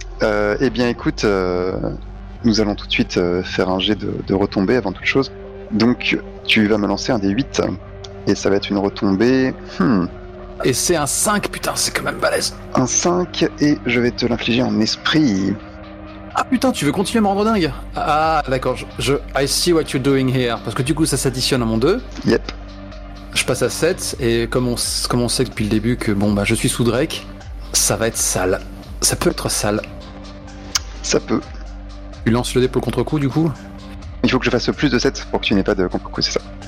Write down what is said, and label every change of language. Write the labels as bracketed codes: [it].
[fr] Eh bien écoute, nous allons tout de suite faire un jet de retombée avant toute chose. Donc, tu vas me lancer un des 8 et ça va être une retombée... Et c'est un 5, putain, c'est quand même balèze. Un 5, et je vais te l'infliger en esprit. Ah putain, tu veux continuer à me rendre dingue? Ah d'accord, [en] I see what you're doing here. [fr] Parce que du coup, ça s'additionne à mon 2. Yep. Je passe à 7, et comme on sait depuis le début que bon bah je suis sous Drake, ça va être sale. Ça peut être sale. Ça peut. Tu lances le dé pour le contre-coup, du coup? Il faut que je fasse plus de 7 pour que tu n'aies pas de contre-coup, c'est ça.